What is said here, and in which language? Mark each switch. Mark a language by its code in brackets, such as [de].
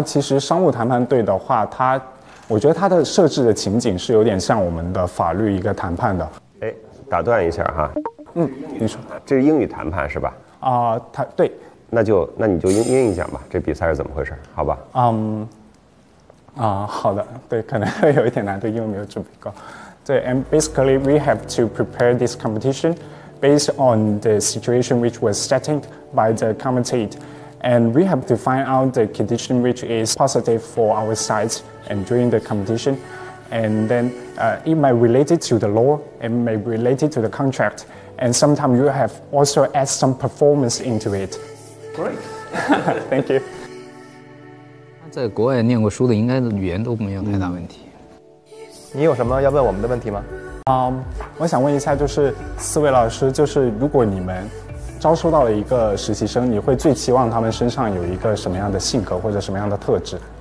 [zh] 其实商务谈判队的话，它我觉得它的设置的情景是有点像我们的法律一个谈判的。哎，打断一下哈。嗯，你说这是英语谈判是吧？对。那你就应一下吧，这比赛是怎么回事？好吧。好的，对，可能有一点难度，因为没有准备过。 [en] 对 ，and basically we have to prepare this competition based on the situation which was setting by the commentate, and we have to find out the condition which is positive for our sides and during the competition, and then it might related to the law, it may related to the contract, and sometimes you have also add some performance into it. Great. Thank you. [zh] 在国外念过书的应该语言都没有太大问题。你有什么要问我们的问题吗？我想问一下，就是四位老师，就是如果你们招收到了一个实习生，你会最期望他们身上有一个什么样的性格或者什么样的特质？